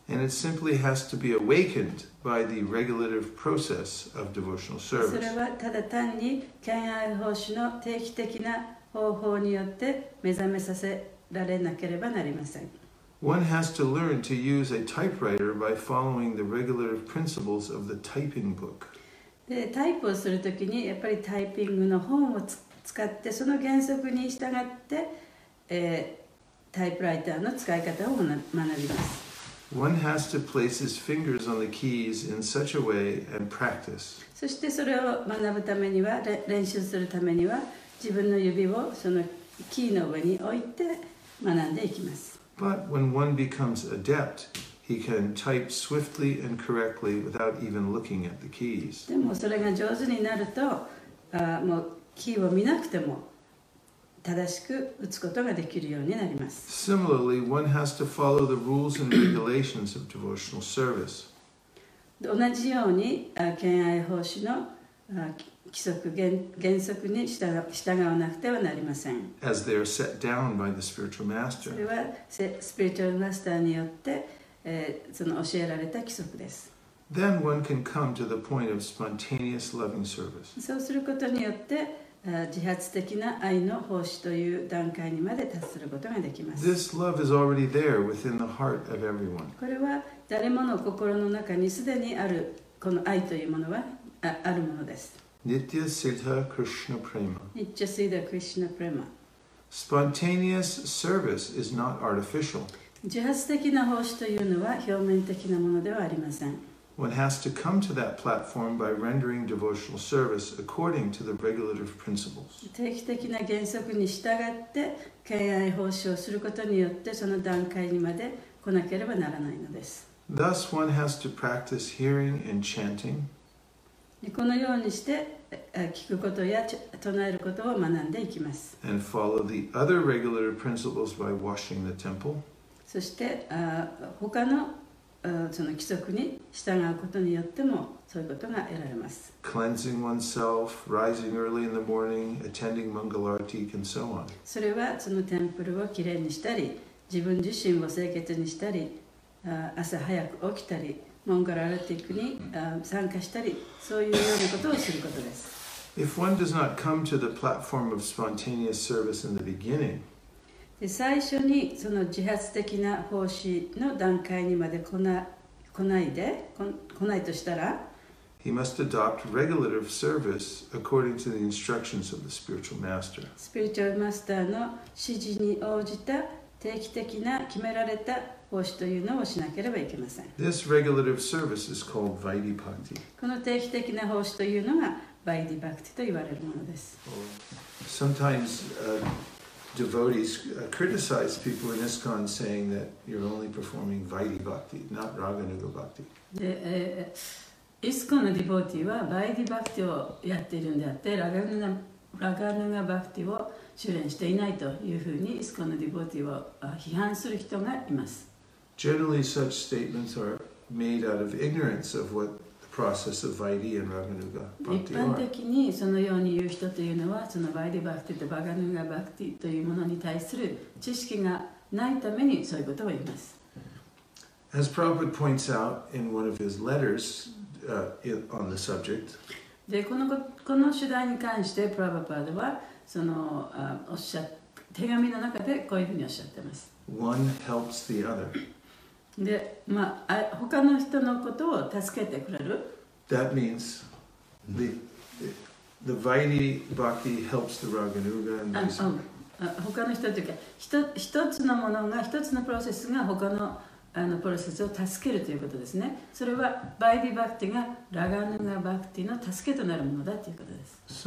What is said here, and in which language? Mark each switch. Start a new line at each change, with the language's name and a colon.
English: And it simply has to be awakened by the regulative process of devotional service.
Japanese: それはただ単に敬愛法師の定期的な方法によって目覚めさせられなければなりません。
English: One has to learn to use a typewriter by following the regular principles of the typing book.
Japanese: で、タイプをするときにやっぱりタイピングの本を使ってその原則に従って、タイプライターの使い方を学びます。
English: One has to place his fingers on the keys in such a way and practice.
Japanese: そしてそれを学ぶためには、練習するためには自分の指をそのキーの上に置いて学んでいきます。
English: But when one becomes adept, he can type swiftly and correctly without even looking at the keys.
Japanese: でもそれが上手になると、もうキーを見なくても正しく打つことができるようになります。
English: Similarly, one has to follow the rules and regulations of devotional service.
Japanese: 同じように、敬愛奉仕の規則、原則に従わなくてはなりません。
English: As they are set down by the spiritual master.
Japanese: それはスピリチュアルマスターによって、その教えられた規則です。
English: Then one can come to the point of spontaneous loving service.
Japanese: そうすることによって、自発的な愛の奉仕という段階にまで達することができます。
English: This love is already there within the heart of everyone.
Japanese: これは誰もの心の中にすでにあるこの愛というものは あるものです。
Sanskrit: Nitya Siddha Krishna Prema. Nitya Siddha Krishna Prema.
English: Spontaneous service is not artificial.
Japanese: 自発的な奉仕というのは表面的なものではありません。
English: One has to come to that platform by rendering devotional service according to the regulative principles.
Japanese: 定期的な原則に従って敬愛奉仕をすることによってその段階にまで来なければならないのです。
English: Thus, one has to practice hearing and chanting.
Japanese: このようにして聞くことや唱えることを学んでいきます。
English: And follow the other regulative principles by washing the temple.
Japanese: そして他のその規則に従うことによってもそういうことが得られます。
English: Cleansing oneself, rising early in the morning, attending Mangalartik, and so on.
Japanese: それはそのテンプルをきれいにしたり、自分自身を清潔にしたり、朝早く起きたり、モンガラルティックに参加したり、そういうようなことをすることです。
English: If one does not come to the platform of spontaneous service in the beginning,
Japanese: で最初にその自発的な奉仕の段階にまで来ないとしたら
English: He must adopt regulative service according to the instructions of the spiritual master.
Japanese: スピリチュアルマスターの指示に応じた定期的な決められた奉仕というのをしなければいけません。
English: This regulative service is called Vaidhipakti.
Japanese: この定期的な奉仕というのがバイディバクティと言われるものです。
English: Sometimes, devotees criticize people in ISKCON saying that you're only performing Vaidhi Bhakti, not Raghunuga Bhakti.
Japanese: ISKCON の devotee は Vaidhi Bhakti をやっているんであって、Raghunuga Bhakti を修練していないというふうに ISKCON の devotee を批判する人がいます。
English: Generally, such statements are made out of ignorance of what the process of Vaidhi and Raghunuga Bhakti are.
Japanese: 一般的にそのように言う人というのは、そのバイディバクティとバガヌガバクティというものに対する知識がないためにそういうことを言います。
English: As Prabhupada points out in one of his letters, on the subject,
Japanese: で、この主題に関して、プラバパードは、手紙の中でこういうふうにおっしゃっています。
English: One helps the other.
Japanese: で、まあ、他の人のことを助けてくれる。
English: That means the Vaidhi Bhakti helps the Raghunuga and vice versa.
Japanese: 他の人というか、一つのものが、一つのプロセスが他の、プロセスを助けるということですね。それは、バイディバクティがラガヌガバクティの助けとなるものだということです。